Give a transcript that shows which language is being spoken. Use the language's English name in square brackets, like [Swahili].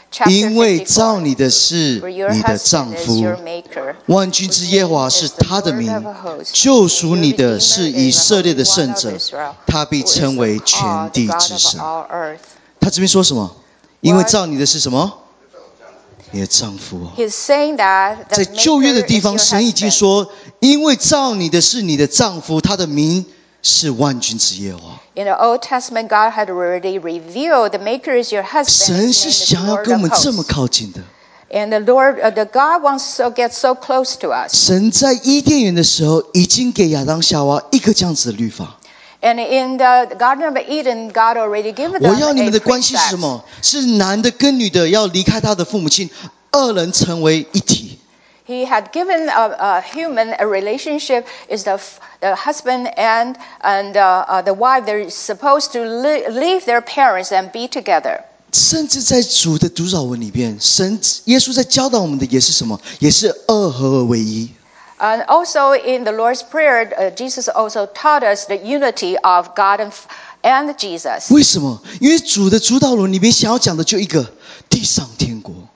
[Chinese] 因为造你的是你的丈夫，万军之耶和华是他的名，救赎你的是以色列的圣者，他必称为全地之神。他这边说什么？因为造你的是什么？你的丈夫啊！在旧约的地方，神已经说，因为造你的是你的丈夫，他的名是万军之耶和华。 [English] In the Old Testament, God had already revealed the Maker is your husband. [Chinese] 神是想要跟我们这么靠近的。 [English] And the Lord, the God wants to get so close to us. [Chinese] 神在伊甸园的时候，已经给亚当夏娃一个这样子的律法。 [English] And in the Garden of Eden, God already gave them. [Chinese] 我要你们的关系是什么？是男的跟女的要离开他的父母亲，二人成为一体。 [English] He had given a human a relationship is the husband and the wife they're supposed to leave their parents and be together. [Chinese] 甚至在主的读经里边，神耶稣在教导我们的也是什么？也是二合而为一。 [English] And also in the Lord's Prayer, Jesus also taught us the unity of God and Jesus. [Chinese] 为什么？因为主的主导论里面想要讲的就一个地上天国。